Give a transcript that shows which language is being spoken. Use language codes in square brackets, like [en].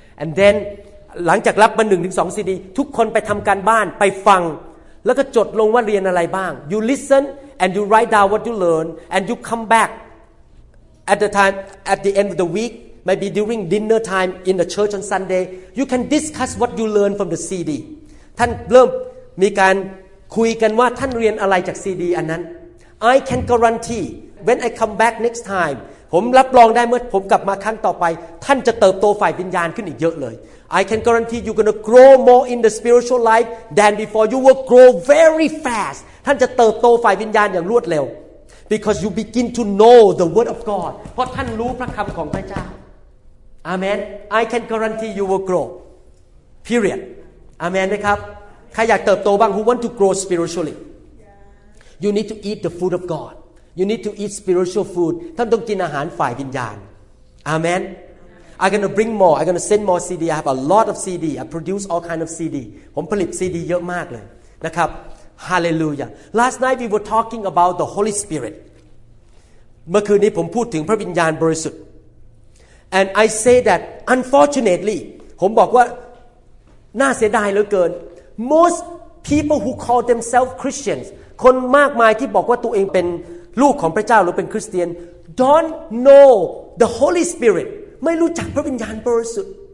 [en] And then, [th] หลังจากรับมา 1 ถึง 2 CD, ทุกคนไปทำการบ้านไปฟังแล้วก็จดลงว่าเรียนอะไรบ้าง [en] You listen and you write down what you learn and you come back at the time, at the end of the week, maybe during dinner time in the church on Sunday. You can discuss what you learn from the CD. [th] ท่านเริ่มมีการคุยกันว่าท่านเรียนอะไรจากซีดีอันนั้น [en] I can guarantee when I come back next time [th] ผมรับรองได้เมื่อผมกลับมาครั้งต่อไปท่านจะเติบโตฝ่ายวิญญาณขึ้นอีกเยอะเลย [en] I can guarantee you're going to grow more in the spiritual life than before you will grow very fast [th] ท่านจะเติบโตฝ่ายวิญญาณอย่างรวดเร็ว [en] because you begin to know the word of God [th] เพราะท่านรู้พระคำของพระเจ้า [en] Amen I can guarantee you will grow periodAmen, right? [th] ใครอยากเติบโตบ้าง [en] Who want to grow spiritually? You need to eat the food of God. You need to eat spiritual food. [th] ท่านต้องกินอาหารฝ่ายวิญญาณ [en] Amen. I'm going to bring more. I'm going to send more CD. I have a lot of CD. I produce all kind of CD. [th] ผมผลิต CD เยอะมากเลยนะครับ [en] Hallelujah. Last night we were talking about the Holy Spirit. [th] เมื่อคืนนี้ผมพูดถึงพระวิญญาณบริสุทธิ์ [en] And I say that unfortunately, [th] ผมบอกว่าน่าเสียดายเหลือเกิน [en] most people who call themselves Christians [th] คนมากมายที่บอกว่าตัวเองเป็นลูกของพระเจ้าหรือเป็นคริสเตียน [en] don't know the Holy Spirit [th] ไม่รู้จักพระวิญญาณบริสุทธิ์